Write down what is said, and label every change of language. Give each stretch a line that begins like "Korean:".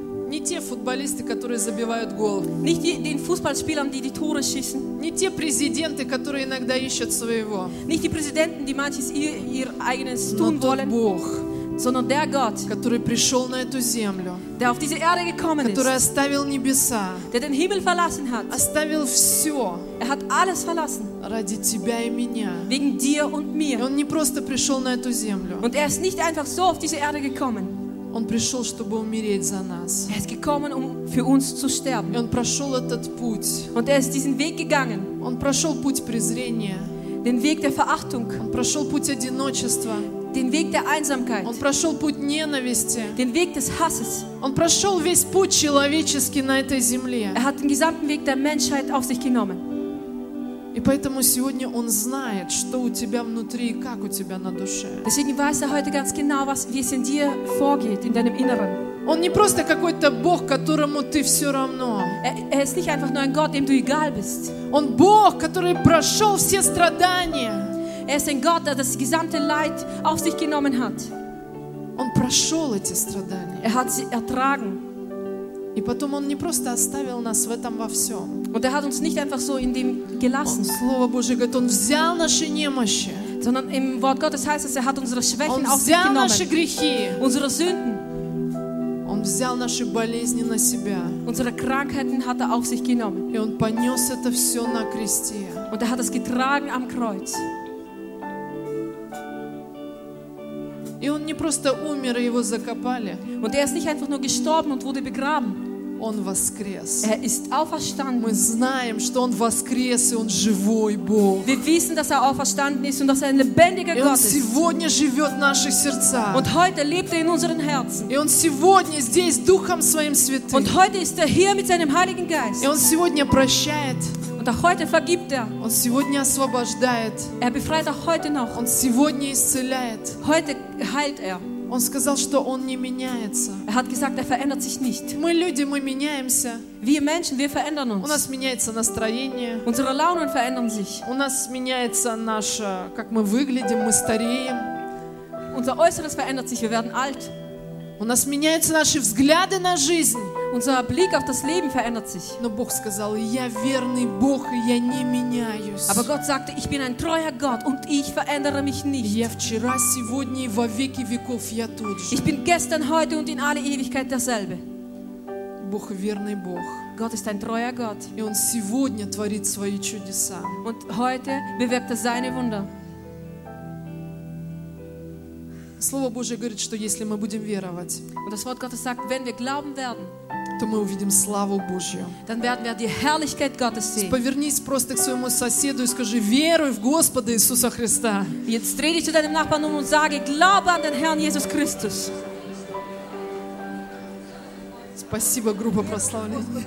Russian: Не те футболисты, которые забивают гол.
German: Nicht den Fußballspielern, die die Tore schießen.
Russian: Не те президенты, которые иногда ищут своего.
German: Nicht die Präsidenten, die manches ihr eigenes tun wollen.
Russian: Но Бог,
German: sondern der Gott,
Russian: который пришел на эту землю,
German: der auf diese Erde gekommen ist,
Russian: который оставил небеса,
German: der den Himmel verlassen hat,
Russian: оставил все,
German: er hat alles verlassen,
Russian: ради тебя и меня,
German: wegen dir und mir.
Russian: И он не просто пришел на эту землю,
German: und er ist nicht einfach so auf diese Erde gekommen.
Russian: Он пришел, чтобы умереть за нас.
German: Er ist gekommen, für uns zu sterben.
Russian: И он прошел этот путь.
German: Und er ist diesen Weg gegangen.
Russian: Он прошел путь презрения.
German: Den Weg der Verachtung.
Russian: Он прошел путь одиночества.
German: Den Weg der Einsamkeit.
Russian: Он прошел путь ненависти.
German: Den Weg des Hasses.
Russian: Он прошел весь путь человеческий на этой земле.
German: Er hat den gesamten Weg der Menschheit auf sich genommen.
Russian: И поэтому сегодня он знает, что у тебя внутри и как у тебя на душе.
German: Deswegen weiß er heute ganz genau, was in dir vorgeht, in deinem Inneren.
Russian: Он не просто какой-то Бог, которому ты все равно.
German: Er ist nicht einfach nur ein Gott, dem du egal bist.
Russian: Он Бог, который прошел все страдания.
German: Er ist ein Gott, der das gesamte Leid auf sich genommen hat.
Russian: Он прошел эти страдания.
German: Er hat sie ertragen.
Russian: И потом он не просто оставил нас в этом во всем.
German: Und er hat uns nicht einfach so in dem gelassen.
Russian: Слово Божие говорит, он взял наши немощи.
German: Sondern im Wort Gottes heißt es, er hat unsere Schwächen auf sich genommen.
Russian: Он взял наши грехи.
German: Unsere Sünden.
Russian: Он взял наши болезни на себя.
German: Unsere Krankheiten hat er auf sich genommen.
Russian: И он понес это все на кресте.
German: Und er hat es getragen am Kreuz.
Russian: И он не просто умер, и его закопали.
German: Und er ist nicht einfach nur gestorben und wurde begraben.
Russian: Он воскрес.
German: Er ist auferstanden.
Russian: Мы знаем, что он воскрес, и он живой Бог.
German: Wir wissen, dass er auferstanden ist und dass er ein lebendiger Gott ist.
Russian: Он сегодня живет в наших сердцах.
German: Und heute lebt er in unseren Herzen.
Russian: И он сегодня здесь Духом Своим Святым.
German: Und heute ist er hier mit seinem Heiligen Geist.
Russian: И он сегодня прощает.
German: Und auch heute vergibt er.
Russian: Он сегодня освобождает.
German: Er befreit auch heute noch.
Russian: Он сегодня исцеляет.
German: Heute heilt er.
Russian: Он сказал, что он не меняется.
German: Er hat gesagt, er verändert sich nicht.
Russian: Мы люди, мы меняемся.
German: Wir Menschen, wir verändern uns.
Russian: У нас меняется настроение.
German: Unsere Launen verändern sich.
Russian: У нас меняется наше, как мы выглядим, мы стареем.
German: Unser Äußeres verändert sich, wir werden alt.
Russian: У нас меняются наши взгляды на жизнь.
German: Unser Blick auf das Leben verändert sich.
Russian: Но Бог сказал, я верный Бог, и я не меняюсь.
German: Aber Gott sagte, ich bin ein treuer Gott und ich verändere mich nicht.
Russian: Я вчера, сегодня и во веки веков я тот же.
German: Ich bin gestern, heute und in alle Ewigkeit derselbe.
Russian: Бог верный Бог.
German: Gott ist ein treuer Gott.
Russian: И он сегодня творит свои чудеса.
German: Und heute bewirkt er seine Wunder.
Russian: Слово Божие говорит, что если мы будем веровать,
German: und das Wort Gottes sagt, wenn wir glauben werden,
Russian: то мы увидим славу Божью.
German: Dann werden wir die Herrlichkeit Gottes sehen.
Russian: Повернись просто к своему соседу и скажи: веруй в Господа Иисуса Христа.
German: Jetzt dreh dich zu deinem Nachbarn um und sage: Glaube an den Herrn Jesus Christus.
Russian: Спасибо, группа прославления.